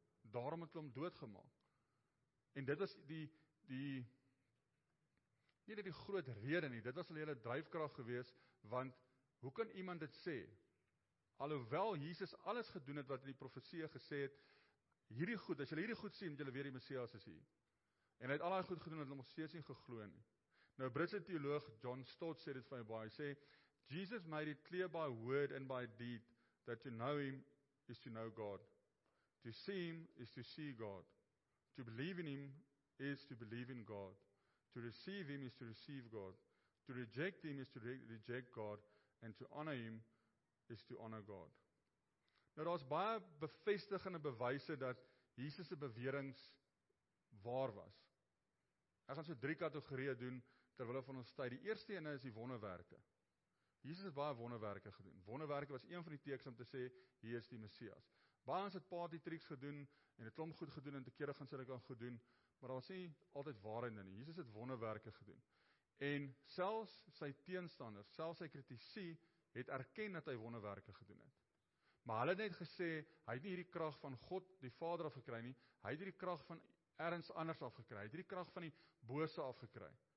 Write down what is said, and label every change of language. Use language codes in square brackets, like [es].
[af] Daarom het hom doodgemaak. En dit was die groot rede nie, dit was hulle hele drijfkracht gewees, want hoe kan iemand dit sê? Alhoewel Jesus alles gedoen het wat in die profeseë gesê het, hierdie goed, as julle hierdie goed sien, julle weet die Messias is hier. En hy het al daai goed gedoen, het hulle nog steeds nie geglo nie. Nou, Britse teoloog John Stott sê dit van my baie, hy sê, [en] Jesus made it clear by word and by deed, that to know him is to know God. To see him is to see God. To believe in him is to believe in God. To receive him is to receive God. To reject him is to reject God. And to honor him is to honor God. [af] Nou, daar is baie bevestigende bewyse dat Jesus' beweringe waar was. Ek gaan so 3 kategorieë doen, terwille van ons tyd. Die eerste ene is die wonderwerke. Jesus het baie wonderwerke gedoen. Wonderwerke was een van die teks om te sê, hier is die Messias. Baie ons het party tricks gedoen, en het klomp goed gedoen, en te kere gaan sê, kan goed doen, maar daar was nie altyd waarheid in nie. Jesus het wonderwerke gedoen. En selfs sy teenstanders, selfs sy kritici, het erken dat hy wonderwerke gedoen het. Maar hulle het net gesê, hy het nie hierdie krag van God, die Vader, afgekry nie, hy het hierdie krag van ergens anders afgekry, het die krag van die bose afgekry.